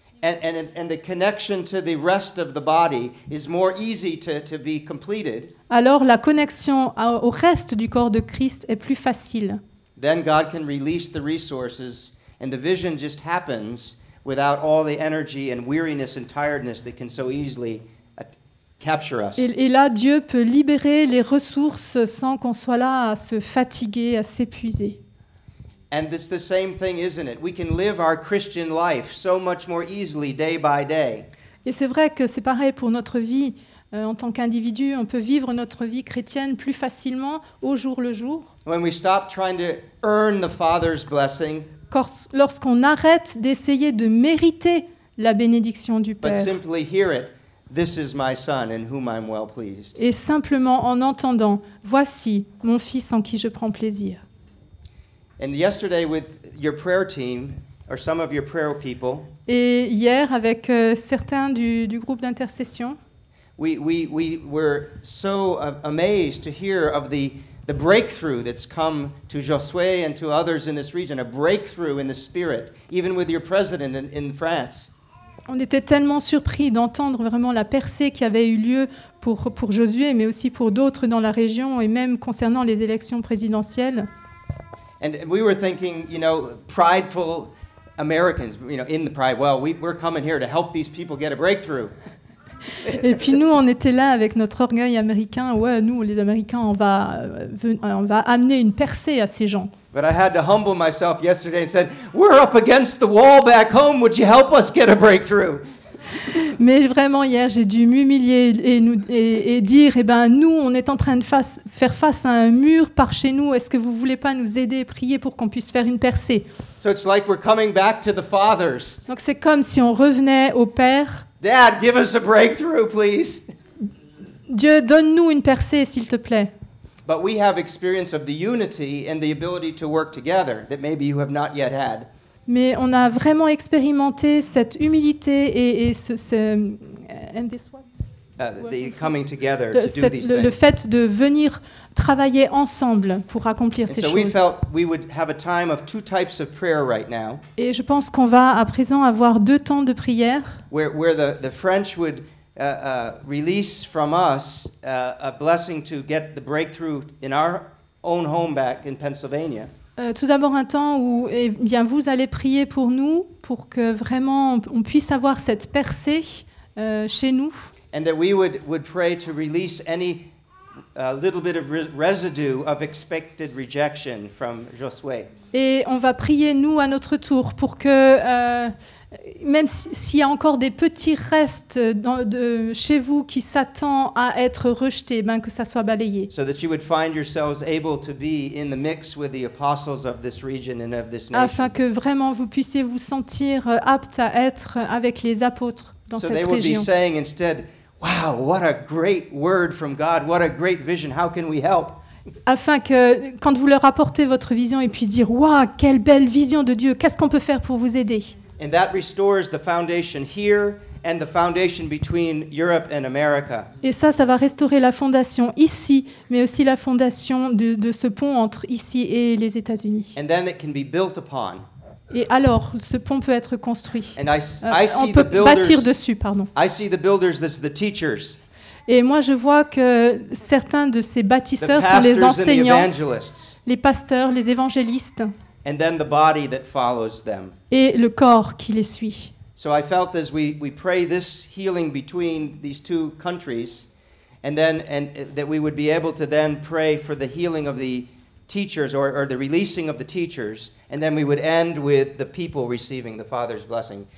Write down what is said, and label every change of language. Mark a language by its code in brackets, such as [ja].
[en] And the connection to the rest of the body is more easy to be completed. [fr] Alors la connexion au reste du corps de Christ est plus facile. [en] Then God can release the resources and the vision just happens without all the energy and weariness and tiredness that can so easily capture us. [fr] Et là, Dieu peut libérer les ressources sans qu'on soit là à se fatiguer, à s'épuiser. [en] And it's the same thing, isn't it? We can live our Christian life so much more easily day by day. [fr] Et c'est vrai que c'est pareil pour notre vie en tant qu'individu. On peut vivre notre vie chrétienne plus facilement au jour le jour. [en] When we stop trying to earn the Father's blessing. [fr] Lorsqu'on arrête d'essayer de mériter la bénédiction du Père. [en] But simply hear it. This is my son in whom I'm well pleased. [fr] Et simplement en entendant, voici mon fils en qui je prends plaisir. [en] And yesterday with your prayer team or some of your prayer people. [fr] Et hier avec certains du groupe d'intercession. [en] We were so amazed to hear of the breakthrough that's come to Josué and to others in this region, a breakthrough in the spirit, even with your president in France. [fr] On était tellement surpris d'entendre vraiment la percée qui avait eu lieu pour Josué, mais aussi pour d'autres dans la région et même concernant les élections présidentielles. [en] And we were thinking, you know, prideful Americans, you know, in the pride, well, we're coming here to help these people get a breakthrough. [fr] Et puis nous, on était là avec notre orgueil américain. Ouais, nous, les Américains, on va amener une percée à ces gens. [en] But I had to humble myself yesterday and said, we're up against the wall back home. Would you help us get a breakthrough? [fr] Mais vraiment, hier, j'ai dû m'humilier et dire, eh ben, nous, on est en train de faire face à un mur par chez nous. Est-ce que vous voulez pas nous aider, prier pour qu'on puisse faire une percée? [en] So it's like we're coming back to the fathers. [fr] Donc c'est comme si on revenait au père. [en] Dad, give us a breakthrough, please. [fr] Dieu, donne-nous une percée, s'il te plaît. [en] But we have experience of the unity and the ability to work together that maybe you have not yet had. [fr] Mais on a vraiment expérimenté cette humilité et ce [en] and this what? The coming together to do these [fr] things. Le fait de venir travailler ensemble pour accomplir ces choses. [en] So we felt we would have a time of two types of prayer right now. [fr] Et je pense qu'on va à présent avoir deux temps de prière. [en] Where the French would release from us a blessing to get the breakthrough in our own home back in Pennsylvania. [fr] Tout d'abord un temps où eh bien vous allez prier pour nous pour que vraiment on puisse avoir cette percée chez nous. [en] And that we would pray to release any little bit of residue of expected rejection from Josué. [fr] Et on va prier nous à notre tour pour que même s'il y a encore des petits restes de chez vous qui s'attend à être rejeté, ben que ça soit balayé. [en] So that you would find yourselves able to be in the mix with the apostles of this region and of this nation. [fr] Afin que vraiment vous puissiez vous sentir apte à être avec les apôtres dans cette région. [en] So they would be saying instead, wow, what a great word from God, what a great vision, how can we help? [fr] Afin que quand vous leur apportez votre vision, ils puissent dire, waouh, quelle belle vision de Dieu, qu'est-ce qu'on peut faire pour vous aider? [en] And that restores the foundation here and the foundation between Europe and America. [fr] Et ça va restaurer la fondation ici, mais aussi la fondation de ce pont entre ici et les États-Unis. [en] And then it can be built upon. [fr] Et alors, ce pont peut être construit. [en] And [fr] on peut bâtir dessus, pardon. [en] I see the builders, this is the teachers. [fr] Et moi, je vois que certains de ces bâtisseurs sont les enseignants, les pasteurs, les évangélistes. [en] And then the body that follows them. [fr] Et le corps qui les suit. [en] So I felt as we pray this healing between these two countries, and that we would be able to then pray for the healing of the teachers or the releasing of the teachers, and then we would end with the people receiving the Father's blessing.